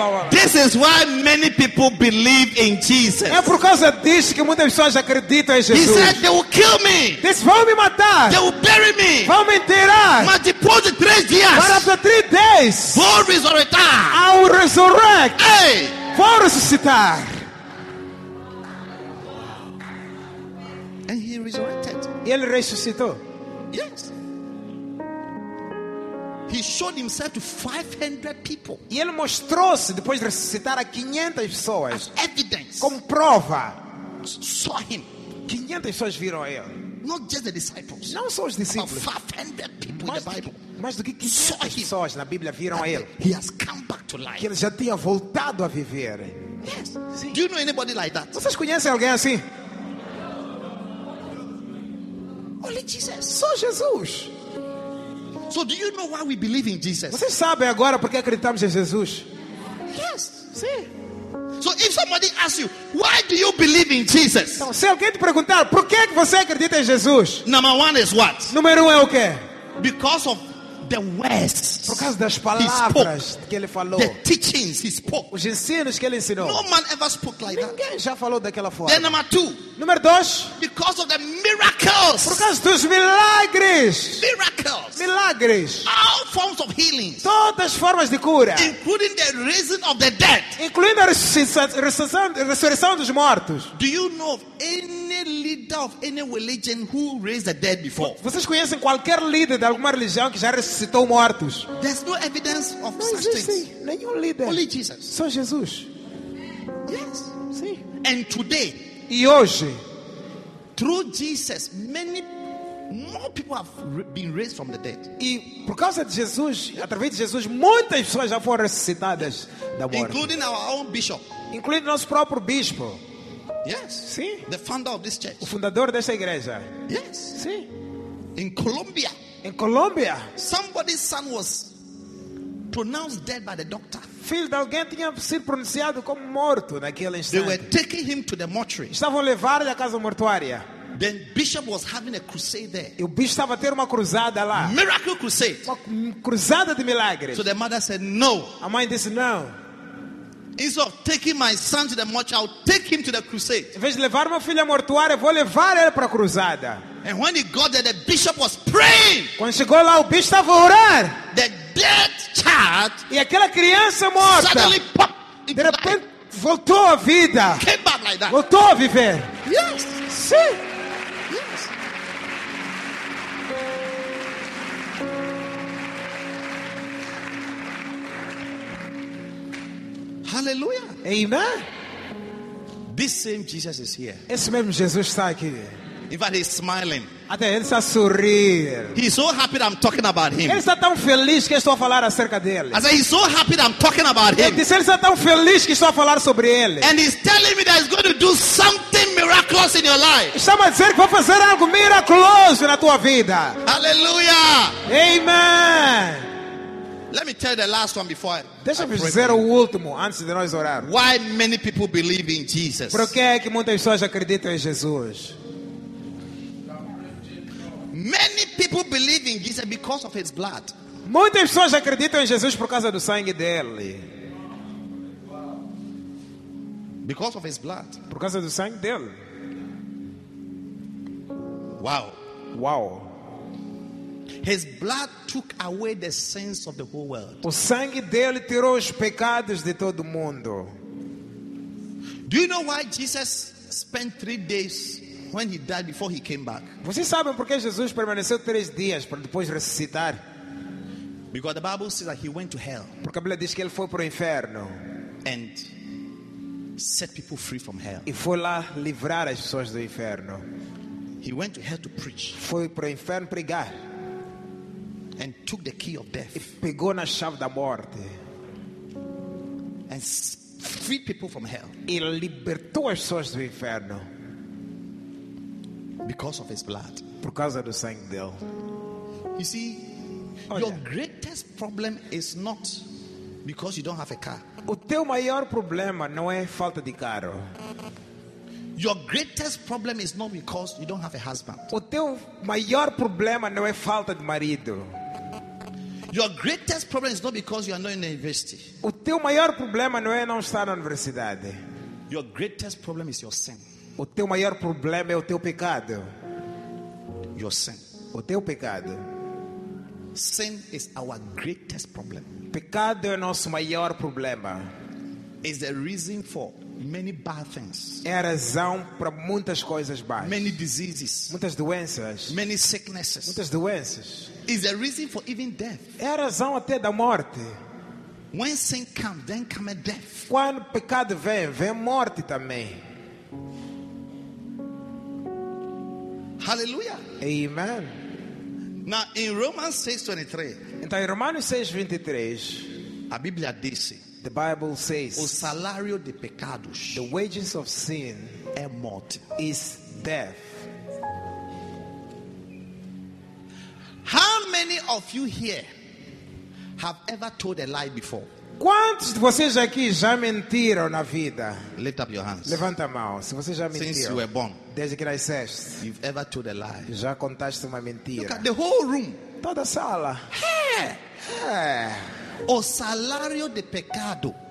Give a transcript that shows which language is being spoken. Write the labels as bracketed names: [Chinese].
[English] This is why many people believe in Jesus. [Portuguese] É por causa disso que muitas pessoas acreditam em Jesus. [English] He said they will kill me. [Portuguese] Eles vão me matar. [English] They will bury me. [Portuguese] Vão me enterrar. Mas depois de 3 dias. [English] But after 3 days. [Portuguese] Vou ressuscitar. [English] I will resurrect. Hey. [Portuguese] Vou ressuscitar. [English] And he resurrected. [Portuguese] Ele ressuscitou. [English] Yes. He showed himself to 500 people. [Portuguese] E ele mostrou-se depois de ressuscitar a 500 pessoas. [English] As evidence. [Portuguese] Como prova. [English] Saw him. [Portuguese] 500 pessoas viram ele. [English] Not just the disciples. [Portuguese] Não só os discípulos. [English] About 500 people in the Bible. [Portuguese] Mais do que 500 [English] saw him. [Portuguese] Pessoas na Bíblia viram ele. [English] He has come back to life. [Portuguese] Que ele já tinha voltado a viver. [English] Yes. [Portuguese] Sim. [English] Do you know anybody like that? [Portuguese] Vocês conhecem alguém assim? [English] Only Jesus. [Portuguese] Só Jesus. [English] So do you know why we believe in Jesus? [Portuguese] Você sabe agora por que acreditamos em Jesus? [English] Yes. [Portuguese] Sim. [English] So if somebody asks you, why do you believe in Jesus? [Portuguese] Então, se alguém te perguntar, por que você acredita em Jesus? [English] Number one is what? [Portuguese] Número um é o quê? [English] Because of the words. [Portuguese] Por causa das palavras que ele falou. [English] The teachings he spoke. [Portuguese] Os ensinos que ele ensinou. [English] No man ever spoke like [Portuguese] ninguém [English] that. [Portuguese] Já falou daquela forma. [English] Then number two. [Portuguese] Número dois. [English] Because of the miracles. [Portuguese] Por causa dos milagres. [English] Miracles. [Portuguese] Milagres. [English] All forms of healing. [Portuguese] Todas as formas de cura. [English] Including the raising of the dead. [Portuguese] Incluindo a ressurreição dos mortos. [English] Do you know of any leader of any religion who raised the dead before? [Portuguese] Vocês conhecem qualquer líder de alguma religião que já ressuscitou mortos? [English] There's no evidence of [Portuguese] não [English] such things. [Portuguese] Nenhum líder. [English] Only Jesus. [Portuguese] Só Jesus. [English] Yes. [Portuguese] Sim. [English] And today. [Portuguese] E hoje, [English] through Jesus, many more people have been raised from the dead. [Portuguese] E por causa de Jesus, através de Jesus, muitas pessoas já foram ressuscitadas da morte. [English] Including our own bishop. [Portuguese] Incluindo nosso próprio bispo. [English] Yes. [Portuguese] Sim. [English] The founder of this church. [Portuguese] O fundador dessa igreja. [English] Yes. [Portuguese] Sim. [English] In Colombia. [Portuguese] Em Colômbia. [English] Somebody's son was pronounced dead by the doctor. [Portuguese] Filho de alguém tinha sido pronunciado como morto naquele instante. [English] They were taking him to the mortuary. [Portuguese] Estavam levando-lhe à casa mortuária. [English] The bishop was having a crusade there. [Portuguese] E o bispo estava a ter uma cruzada lá. [English] Miracle crusade. [Portuguese] Uma cruzada de milagres. [English] So the mother said no. [Portuguese] A mãe disse não. [English] Instead of taking my son to the mortuary, I'll take him to the crusade. [Portuguese] Em vez de levar meu filho à mortuária, vou levar ele para a cruzada. [English] And when he got there, the bishop was praying. [Portuguese] Quando chegou lá, o bispo estava a orar. [English] The dead child. [Portuguese] E aquela criança morta. [English] Suddenly popped. [Portuguese] De repente voltou à vida. [English] Came back like that. [Portuguese] Voltou a viver. [English] Yes. [Portuguese] Sim. [English] Yes. Hallelujah. Amen. This same Jesus is here. [Portuguese] Esse mesmo Jesus está aqui. [English] In fact, he's smiling. [Portuguese] Até ele está a sorrir. [English] He's so happy that I'm talking about him. [Portuguese] Ele está tão feliz que estou a falar acerca dele. [English] I said, he's so happy that I'm talking about him. [Portuguese] Ele disse, ele está tão feliz que estou a falar sobre ele. [English] And he's telling me that he's going to do something miraculous in your life. [Portuguese] Está a dizer que vai fazer algo miraculoso na tua vida. [English] Hallelujah. Amen. Let me tell you the last one before I [Portuguese] deixa eu dizer o último antes de nós orar. [English] Why many people believe in Jesus? [Portuguese] Por que é que muitas pessoas acreditam em Jesus? [English] Many people believe in Jesus because of his blood. [Portuguese] Muitas pessoas acreditam em Jesus por causa do sangue dele. [English] Because of his blood. [Portuguese] Por causa do sangue dele. [English] Wow. Wow. His blood took away the sins of the whole world. [Portuguese] O sangue dele tirou os pecados de todo mundo. [English] Do you know why Jesus spent 3 days when he died before he came back? [Portuguese] Vocês sabem por que Jesus permaneceu 3 dias para depois ressuscitar? [English] Because the Bible says that he went to hell. [Portuguese] Porque a Bíblia diz que ele foi para o inferno. [English] And set people free from hell. [Portuguese] E foi lá livrar as pessoas do inferno. [English] He went to hell to preach. [Portuguese] Foi para o inferno pregar. [English] And took the key of death. [Portuguese] E pegou na chave da morte. [English] And freed people from hell. [Portuguese] E libertou as pessoas do inferno. [English] Because of his blood. [Portuguese] Por causa do sangue dele. [English] You see, oh, your greatest problem is not because you don't have a car. [Portuguese] O teu maior problema não é falta de carro. [English] Your greatest problem is not because you don't have a husband. [Portuguese] O teu maior problema não é falta de marido. [English] Your greatest problem is not because you are not in the university. [Portuguese] O teu maior problema não é não estar na universidade. [English] Your greatest problem is your sin. [Portuguese] O teu maior problema é o teu pecado. [English] Your sin. [Portuguese] O teu pecado. [English] Sin is our greatest problem. [Portuguese] Pecado é nosso maior problema. [English] Is the reason for many bad things. [Portuguese] É a razão para muitas coisas más. [English] Many diseases. [Portuguese] Muitas doenças. [English] Many sicknesses. [Portuguese] Muitas doenças. [English] Is the reason for even death. [Portuguese] É a razão até da morte. [English] When sin comes, then comes death. [Portuguese] Quando pecado vem, vem morte também. [English] Hallelujah. Amen. Now in Romans 6:23. [Portuguese] Então em Romanos 6:23, a Bíblia diz. [English] The Bible says, [Portuguese] o salário de pecados, [English] the wages of sin, [Portuguese] é morte, [English] is death. How many of you here have ever told a lie before? [Portuguese] Quantos de vocês aqui já mentiram na vida? [English] Lift up your hands. [Portuguese] Levanta a mão. Se você já mentiu. [English] Since you were born, [Portuguese] desde que nasceste. [English] You've ever told a lie. [Portuguese] Já contaste uma mentira. [English] Look at the whole room. [Portuguese] Toda a sala. O salário de pecado.